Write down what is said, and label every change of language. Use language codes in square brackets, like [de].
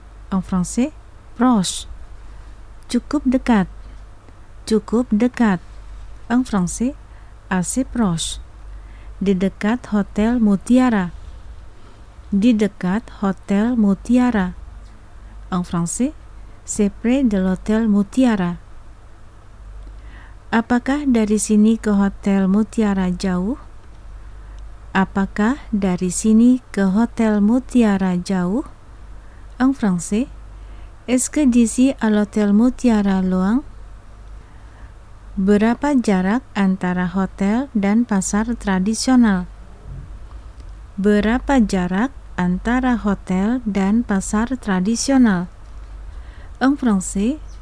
[fr] En français: proche. [id] Cukup dekat. Cukup dekat. [fr] En français: assez proche. [id] Di dekat Hotel Mutiara. Di dekat Hotel Mutiara. [fr] En français: c'est près de l'Hotel Mutiara. [id] Apakah dari sini ke Hotel Mutiara jauh? Apakah dari sini ke Hotel Mutiara jauh? [fr] En français: Est-ce que d'ici à l'Hotel Mutiara loin? [id] Berapa jarak antara hotel dan pasar tradisional? Berapa jarak antara hotel dan pasar tradisional? [fr] En français: